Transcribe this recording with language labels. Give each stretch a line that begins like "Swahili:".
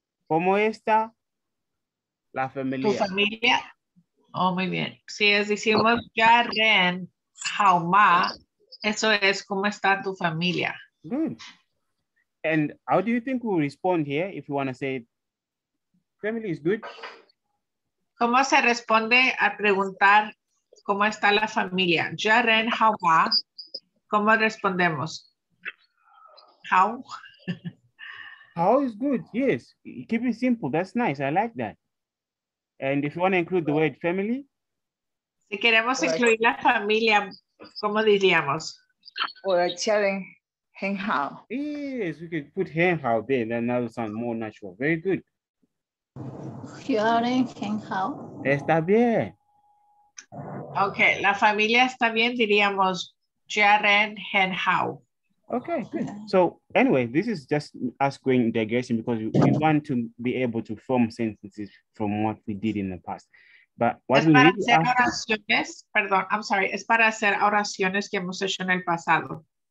Spanish: ¿Cómo está la familia? ¿Tu familia? Oh, muy bien. Si es, decimos,
Chinese: ya ren, how ma,
Spanish: eso es, ¿cómo está tu familia?
English: Good. And how do you think we'll respond here if you want to say, family is good?
Spanish: ¿Cómo se responde a preguntar cómo está la familia? Ya ren, how ma, ¿cómo respondemos? How?
English: How is good, yes. Keep it simple, that's nice, I like that. And if you want to include the word family?
Spanish: Si queremos incluir la familia, ¿cómo diríamos?
Chinese: Or a children, hen hao.
English: Yes, we could put hen hao there, then that would sound more natural. Very good.
Chinese: Children, hen hao.
Spanish: Está bien. Okay, la familia está bien, diríamos,
Chinese: children, hen hao.
English: Okay, good. So anyway, this is just us going digressing because we want to be able to form sentences from what we did in the past. But what we
Spanish: para hacer oraciones, perdón,
English: I'm sorry,
Spanish: es para hacer oraciones que hemos hecho en el pasado.